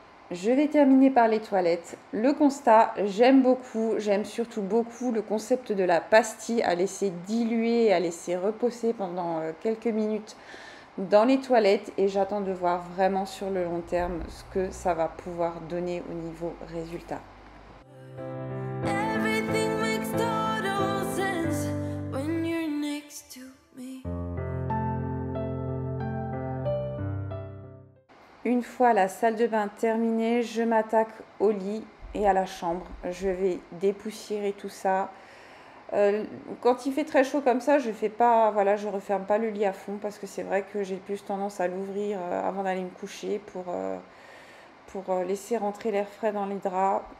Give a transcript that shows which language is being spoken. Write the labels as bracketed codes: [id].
[fr] Je vais terminer par les toilettes. Le constat, j'aime beaucoup, j'aime surtout beaucoup le concept de la pastille à laisser diluer, à laisser reposer pendant quelques minutes dans les toilettes. Et j'attends de voir vraiment sur le long terme ce que ça va pouvoir donner au niveau résultat. [en] Everything makes total sense when you're next to me. [fr] Une fois la salle de bain terminée, je m'attaque au lit et à la chambre. Je vais dépoussiérer tout ça. Quand il fait très chaud comme ça, je referme pas le lit à fond parce que c'est vrai que j'ai plus tendance à l'ouvrir avant d'aller me coucher pour laisser rentrer l'air frais dans les draps.